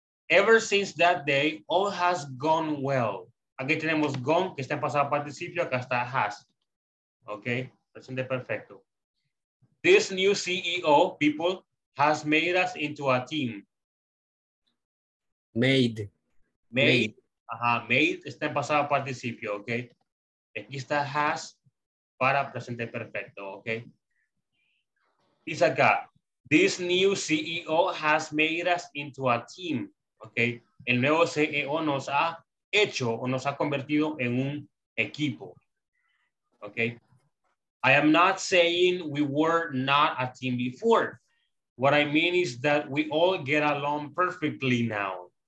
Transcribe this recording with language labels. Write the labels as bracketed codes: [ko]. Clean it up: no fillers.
[en] Ever since that day, all has gone well. [es] Aquí tenemos gone, que está en pasado participio, acá está has. Okay, presente perfecto. [en] This new CEO, people, has made us into a team. Made. [es] Ajá, made, está en pasado participio, okay. Aquí está has para presente perfecto, okay. Dice acá, [en] this new CEO has made us into a team. [es] Okay, el nuevo CEO nos ha hecho o nos ha convertido en un equipo. [en] Okay, I am not saying we were not a team before. What I mean is that we all get along perfectly now.